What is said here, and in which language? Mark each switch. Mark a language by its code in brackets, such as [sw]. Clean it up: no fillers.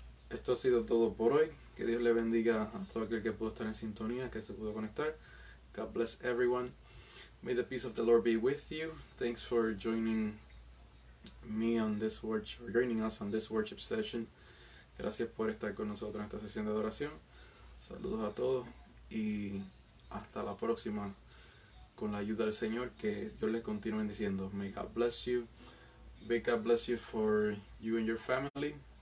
[es] Esto ha sido todo por hoy. Que Dios le bendiga a todo aquel que pudo estar en sintonía, que se pudo conectar. [en] God bless everyone. May the peace of the Lord be with you. Thanks for joining me on this worship, or joining us on this worship session. [es] Gracias por estar con nosotros en esta sesión de adoración. Saludos a todos y hasta la próxima. Con la ayuda del Señor, que Dios les continúe bendiciendo. [en] May God bless you. May God bless you for you and your family.